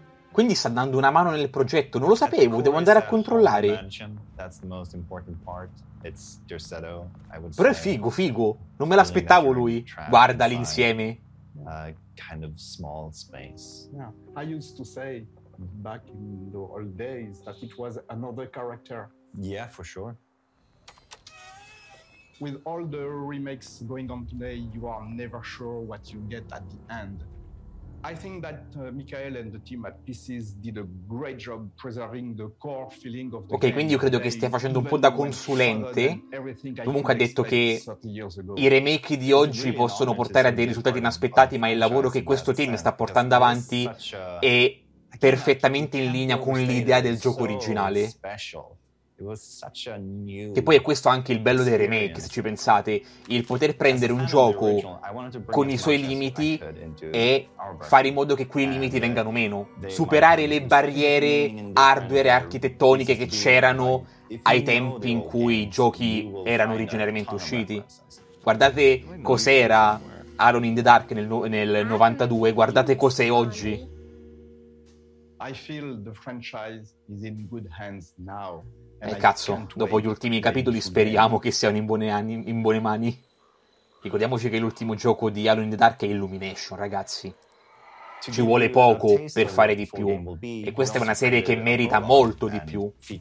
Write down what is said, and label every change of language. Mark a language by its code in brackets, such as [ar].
[it] Quindi sta dando una mano nel progetto, non lo sapevo, devo andare a controllare. Però è figo, figo, non me l'aspettavo lui. Guardali insieme. [en] Kind of small space. I used to say back in the old days that it was another character. Yeah, for sure. With all the remakes going on today, you are never sure what you get at the end. I think that Michael and the team at Pieces did a great job preserving the core feeling of the game. [it] Ok, quindi io credo che stia facendo un po' da consulente. Comunque ha detto che i remake di oggi possono portare a dei risultati inaspettati, ma il lavoro che questo team sta portando avanti è perfettamente in linea con l'idea del gioco originale. Che poi è questo anche il bello dei remake, se ci pensate, il poter prendere un gioco con i suoi limiti e fare in modo che quei limiti vengano meno, superare le barriere hardware e architettoniche che c'erano ai tempi in cui i giochi erano originariamente usciti. Guardate cos'era Alone in the Dark nel 92, guardate cos'è oggi. [en] I feel the franchise is in good hands now. [it] Cazzo, dopo gli ultimi capitoli speriamo che siano in buone mani. Ricordiamoci che l'ultimo gioco di Alone in the Dark è Illumination, ragazzi. Ci vuole poco per fare di più. E questa è una serie che merita molto di più.